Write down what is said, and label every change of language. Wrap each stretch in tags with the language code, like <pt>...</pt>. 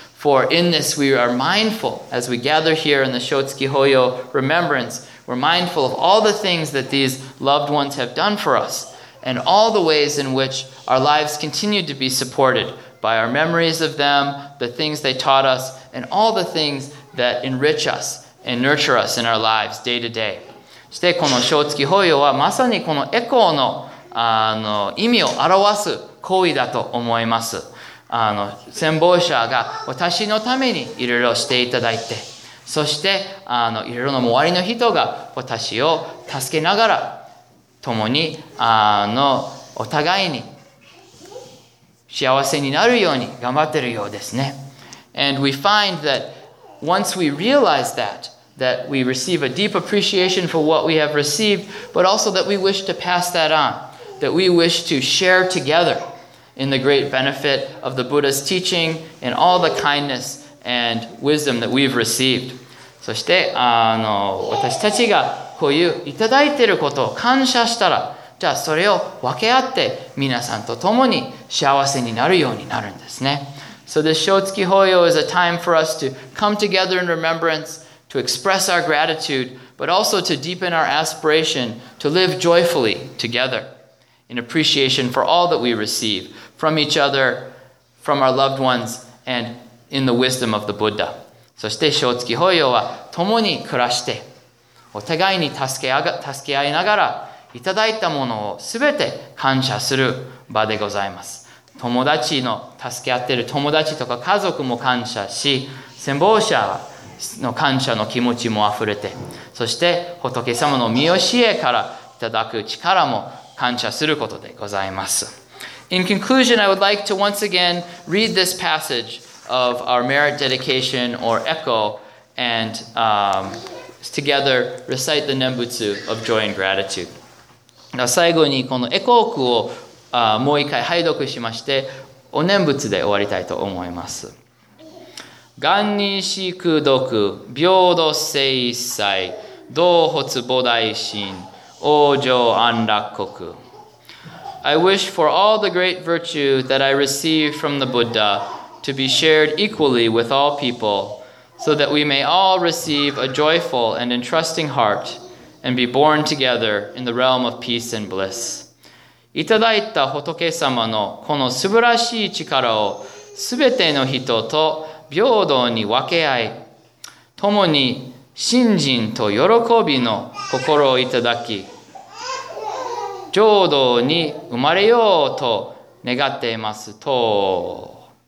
<en>For in this we are mindful, as we gather here in the Shotsuki Hoyo remembrance, we're mindful of all the things that these loved ones have done for us and all the ways in which our lives continue to be supported by our memories of them, the things they taught us, and all the things that enrich us and nurture us in our lives day to day.</en> <ja>そしてこの正月法要はまさにこのエコーの、意味を表す行為だと思います。先方者が私のためにいろいろしていただいて、そしていろいろな周りの人が私を助けながら共にお互いに幸せになるように頑張ってるようですね。</ja> <en>And we find that once we realize that, that we receive a deep appreciation for what we have received, but also that we wish to pass that on, that we wish to share together in the great benefit of the Buddha's teaching and all the kindness and wisdom that we've received.</en> <ja>そして私たちがこういういただいていることを感謝したら、じゃあそれを分け合って皆さんと共に幸せになるようになるんですね。</ja> <en>So this Shotsuki Hoyo is a time for us to come together in remembrance, to express our gratitude, but also to deepen our aspiration to live joyfully together in appreciation for all that we receive from each other, from our loved ones, and in the wisdom of the Buddha.</en> <ja>そして Shotsuki Hoyo は共に暮らして、お互いに助け合いながら、いただいたものをすべて感謝する場でございます。友達の助け合っている友達とか家族も感謝し、先方者の感謝の気持ちも溢れて、そして仏様の御教えからいただく力も感謝することでございます。</ja> <en>In conclusion, I would like to once again read this passage of our merit dedication or echo and together recite the Nembutsu of joy and gratitude.</en> <ja>最後にこのエコー句をもう一回拝読しまして、お念仏で終わりたいと思います。願にしくどく、平等性一切、同仏菩提心、往生安楽国。</ja> <en>I wish for all the great virtue that I receive from the Buddha to be shared equally with all people, so that we may all receive a joyful and entrusting heart. And be born together in the realm of peace and bliss.</en> <ja>いただいた仏様のこの素晴らしい力をすべての人と平等に分け合い、共に信心と喜びの心をいただき、浄土に生まれようと願っていますと。</ja>